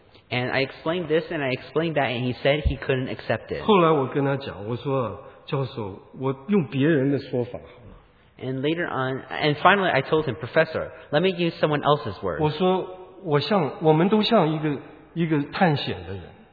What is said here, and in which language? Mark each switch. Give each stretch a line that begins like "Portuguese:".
English: And I explained this, and I explained that, and he said he couldn't accept it.
Chinese: 后来我跟他讲, 我说, 教授, 我用别人的说法,
English: and later on, and finally I told him, Professor, let me use someone else's word.
Chinese: 我说我们都像一个探险的人。